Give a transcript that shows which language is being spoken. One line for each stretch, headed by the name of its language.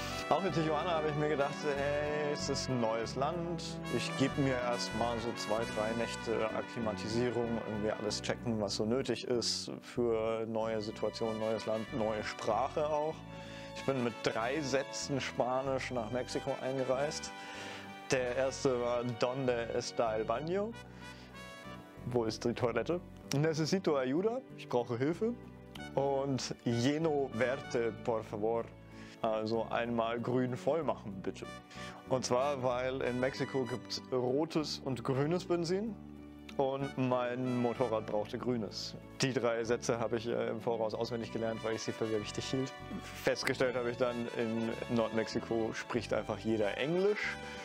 German: Auch in Tijuana habe ich mir gedacht, hey, es ist ein neues Land. Ich gebe mir erstmal so 2-3 Nächte Akklimatisierung, irgendwie alles checken, was so nötig ist für neue Situationen, neues Land, neue Sprache auch. Ich bin mit 3 Sätzen Spanisch nach Mexiko eingereist. Der erste war
Spanish: ¿Dónde está el baño?
German: Wo ist die Toilette?
Spanish: Necesito ayuda,
German: ich brauche Hilfe. Und
Spanish: lleno verde, por favor.
German: Also einmal grün voll machen, bitte. Und zwar, weil in Mexiko gibt es rotes und grünes Benzin. Und mein Motorrad brauchte grünes. Die 3 Sätze habe ich im Voraus auswendig gelernt, weil ich sie für sehr wichtig hielt. Festgestellt habe ich dann, in Nordmexiko spricht einfach jeder Englisch.